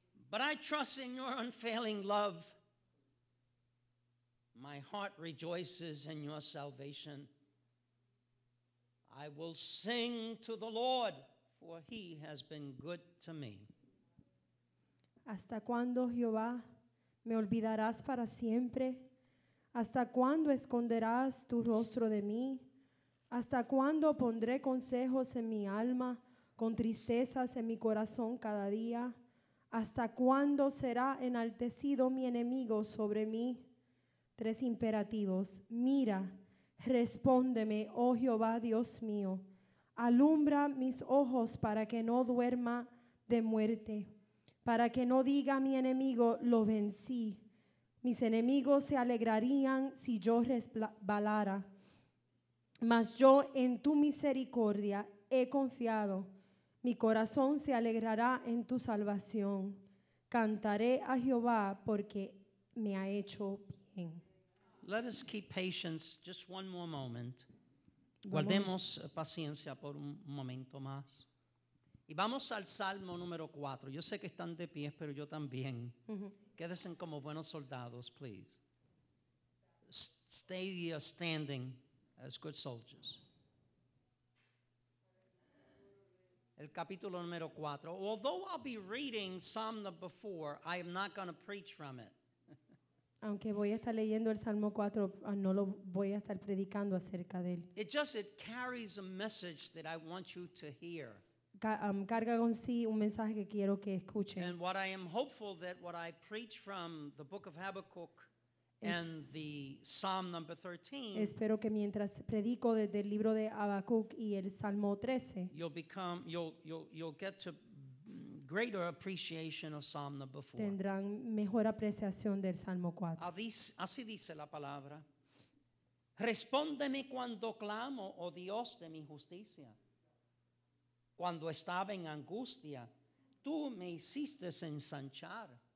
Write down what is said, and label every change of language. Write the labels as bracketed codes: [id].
[en] But I trust in your unfailing love. My heart rejoices in your salvation. I will sing to the Lord, for he has been good to me. [es] ¿Hasta cuándo, Jehová, me olvidarás para siempre? ¿Hasta cuándo esconderás tu rostro de mí? ¿Hasta cuándo pondré consejos en mi alma, con tristezas en mi corazón cada día? ¿Hasta cuándo será enaltecido mi enemigo sobre mí? Tres imperativos. Mira, respóndeme, oh Jehová, Dios mío. Alumbra mis ojos para que no duerma de muerte, para que no diga mi enemigo, lo vencí. Mis enemigos se alegrarían si yo resbalara. Mas yo en tu misericordia he confiado. Mi corazón se alegrará en tu salvación. Cantaré a Jehová porque me ha hecho bien. [en] Let us keep patience just one more moment. [es] Guardemos paciencia por un momento más. Y vamos al Salmo número 4. Yo sé que están de pies, pero yo también. Quédense como buenos soldados, please. [en] Stay standing as good soldiers. [es] El capítulo número 4. [en] Although I'll be reading Psalm number 4, I am not going to preach from it. [es] Aunque voy a estar leyendo el Salmo 4, no lo voy a estar predicando acerca de él. [en] It carries a message that I want you to hear. [es] Carga con sí un mensaje que quiero que escuchen. [en] And what I am hopeful that what I preach from the book of Habakkuk and the Psalm number 13. [es] Espero que mientras predico desde el libro de Habacuc y el Salmo 13. [en] You'll get to greater appreciation of Psalm number 4. [es] Tendrán mejor apreciación del Salmo 4. Así dice la palabra. Respóndeme cuando clamo, oh Dios de mi justicia. Cuando estaba en angustia, tú me hiciste ensanchar.